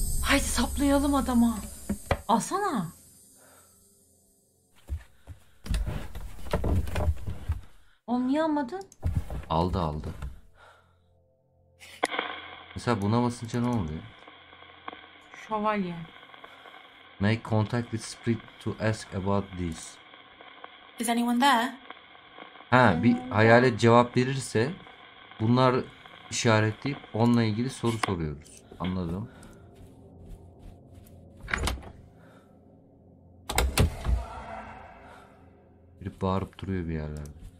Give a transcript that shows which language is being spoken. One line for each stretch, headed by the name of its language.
Turkish: Haydi saplayalım adama. Alsana. Oğlum niye almadın? Aldı. Mesela buna basınca ne oluyor? Şövalye.
English: Make contact with spirit to ask about this. Is anyone there?
Turkish: Ha, bir hayalet cevap verirse bunlar işaretleyip onunla ilgili soru soruyoruz. Anladım. Biri bağırıp duruyor bir yerlerde.